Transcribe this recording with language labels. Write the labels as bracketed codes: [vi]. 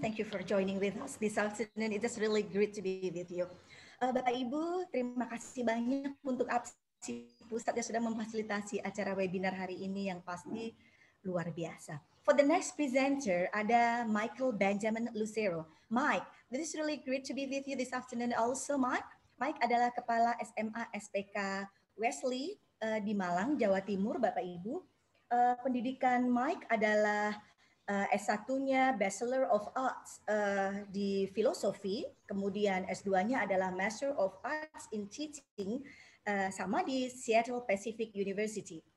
[en] Thank you for joining with us this afternoon. It is really great to be with you. [id] Bapak Ibu, terima kasih banyak untuk APSI Pusat yang sudah memfasilitasi acara webinar hari ini yang pasti luar biasa. [en] For the next presenter, ada Michael Benjamin Lucero. Mike, this is really great to be with you this afternoon also, Mike. [id] Mike adalah Kepala SMA SPK Wesley di Malang, Jawa Timur, Bapak Ibu. Pendidikan Mike adalah S1-nya Bachelor of Arts di Filosofi, kemudian S2-nya adalah Master of Arts in Teaching sama di Seattle Pacific University.